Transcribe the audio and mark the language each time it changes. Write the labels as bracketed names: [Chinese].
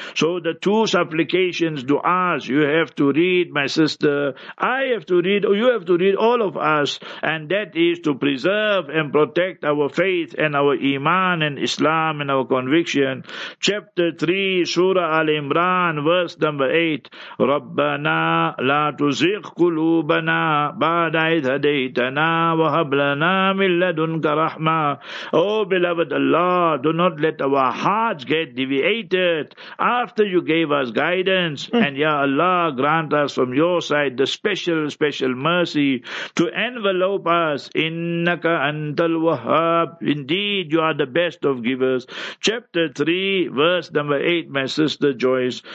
[English] So the two supplications, du'as, you have to read, my sister, I have to read, or you have to read, all of us, and that is to preserve and protect our faith and our iman and Islam and our conviction. Chapter 3, Surah Al-Imran, verse number 8. [Arabic] Rabbana la زِغْ قُلُوبَنَا بَعْدَ إِذْ هَدَيْتَنَا وَهَبْ لَنَا مِنْ لَدُنْكَ رَحْمَةً. [English] Oh beloved Allah, do not let our hearts get deviated after you gave us guidance. And ya Allah, grant us from your side the special mercy to envelope us. [Arabic] إِنَّكَ أَنْتَ الْوَهَّابُ. [English] Indeed, you are the best of givers. Chapter 3, verse number 8, my sister Joyce.